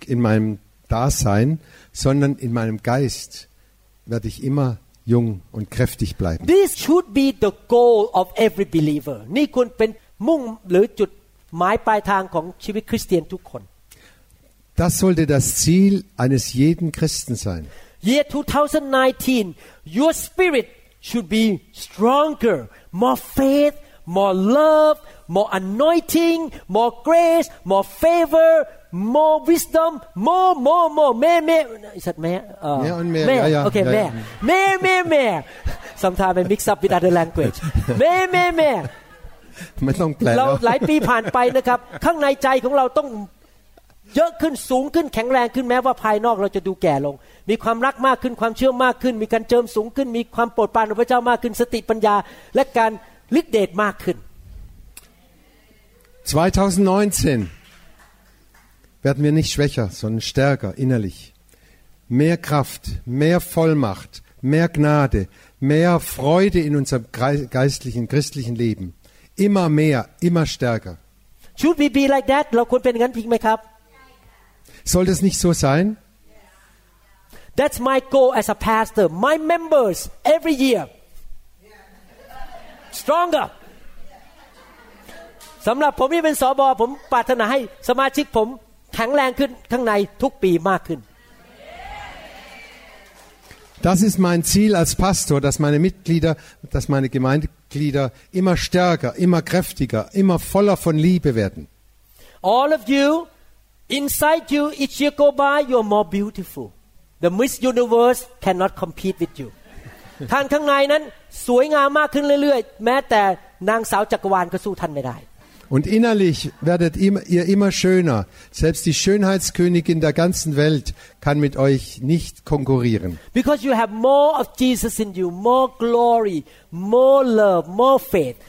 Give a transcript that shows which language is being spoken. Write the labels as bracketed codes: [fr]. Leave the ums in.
[de] in meinem Dasein sondern in meinem Geist werde ich immer jung und kräftig bleiben [en] this should be the goal of every believer [th] นี่ควรเป็นมุ่งหรือจุดหมายปลายทาง ของชีวิตคริสเตียนทุกคน [de] das sollte das Ziel eines jeden Christen sein year [en] 2019 your spirit should be stronger more faith more love more anointing more grace more favor more wisdom more more more แม่ said แม่แม่ okay แม่แม่แม่แม่ sometimes I mix up with other language แม่แม่แม่ [th] ไม่ต้องแปลเราหลายปีผ่าน ไปนะครับข้างในใจของเราต้องเยอะขึ้นสูงขึ้นแข็งแรงขึ้นแม้ว่าภายนอกเราจะดูแก่ลงมีความรักมากขึ้นความเชื่อมากขึ้นมีการเจิมสูงขึ้นมีความโปรดปรานของพระเจ้ามากขึ้นสติปัญญาและการฤทธิ์เดชมากขึ้น [de] 2019 werden wir nicht schwächer sondern stärker innerlich mehr kraft mehr vollmacht mehr gnade mehr freude in unserem geistlichen christlichen leben immer mehr immer stärker [en] should we be like that [th] เราควรเป็นงั้นจริงไหมครับ [de] soll das nicht so sein? [en] That's my goal as a pastor. My members every year stronger. [th] สำหรับผมที่เป็นสอบอผมปรารถนาให้สมาชิกผมแข็งแรงขึ้นข้างในทุกปีมากขึ้น [de] Das ist mein Ziel als Pastor, dass meine Mitglieder, dass meine Gemeindeglieder immer stärker, immer kräftiger, immer voller von Liebe werden. [en] All of you Inside you, each year go by, you more beautiful. The Miss Universe cannot compete with you. [th] ทางข้างในนั้นสวยงามมากขึ้นเรื่อยๆ แม้แต่นางสาวจักรวาลก็สู้ท่านไม่ได้ [de] Und innerlich werdet ihr immer schöner. Selbst die Schönheitskönigin der ganzen Welt kann mit euch nicht konkurrieren. [en] Because you have more of Jesus in you, more glory, more love, more faith.